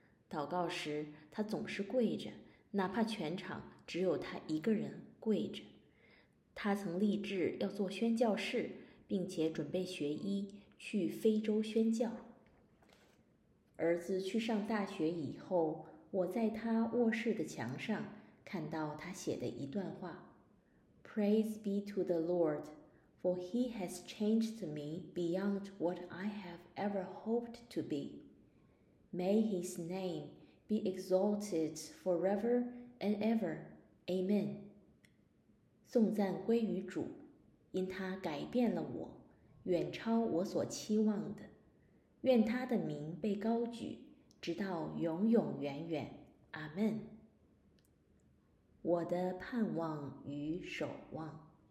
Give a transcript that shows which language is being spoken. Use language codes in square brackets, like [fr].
[zh] 祷告时，他总是跪着，哪怕全场只有他一个人跪着。他曾立志要做宣教士，并且准备学医去非洲宣教。儿子去上大学以后，我在他卧室的墙上看到他写的一段话。 [en] Praise be to the Lord, for he has changed me beyond what I have ever hoped to be. May his name be exalted forever and ever. Amen. [zh] 颂赞归于主，因他改变了我，远超我所期望的。愿他的名被高举，直到永永远远。 Amen. 我的盼望与守望。